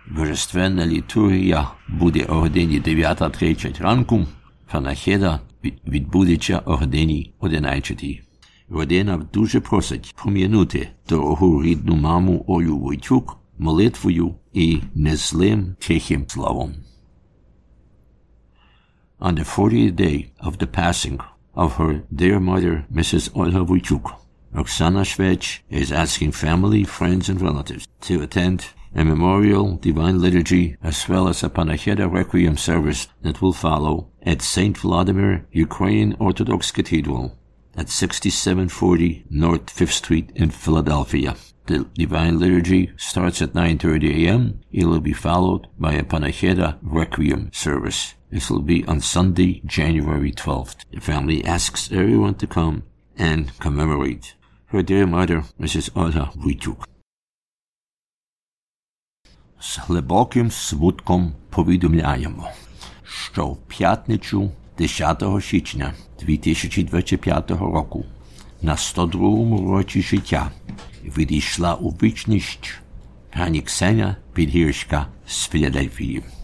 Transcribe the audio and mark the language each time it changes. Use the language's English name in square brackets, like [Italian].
[Ukrainian] Божественна літургія буде о годині 9:30 ранку, панахида відбудеться о годині 11:00. Родина дуже просить пом'янути дорогу рідну маму Олю Войчук молитвою і незлим тихим словом. [English] On the 40th day of the passing of her dear mother, Mrs. Olga Vujčuk, Oksana Švech is asking family, friends, and relatives to attend a memorial divine liturgy as well as a Panacheta Requiem service that will follow at St. Vladimir Ukraine Orthodox Cathedral at 6740 North 5th Street in Philadelphia. The divine liturgy starts at 9:30 a.m. It will be followed by a Panacheta Requiem service. This will be on Sunday, January 12th. The family asks everyone to come and commemorate her dear mother, Mrs. Olga Vujčuk. [Ukrainian] З глибоким смутком повідомляємо, що в п'ятницю 10 січня 2025 року, на 102-му році життя, відійшла у вічність пані Ксеня Підгірська з Філадельфії.